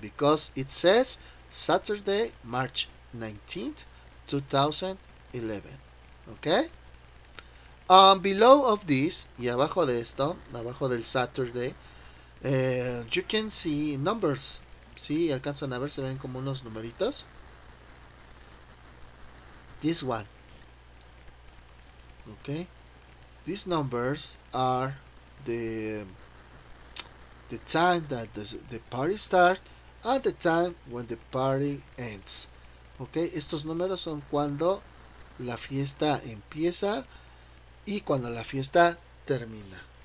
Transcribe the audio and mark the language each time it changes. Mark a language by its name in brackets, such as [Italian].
[English] Because it says Saturday, March 19, 2011. Ok. Below of this, [Spanish] y abajo de esto, abajo del [English] Saturday, you can see numbers. [Spanish] Sí, alcanzan a ver, se ven como unos numeritos. [English] This one. Okay, these numbers are the time that the party starts and the time when the party ends. [Spanish] Okay, estos números son cuando la fiesta empieza y cuando la fiesta termina.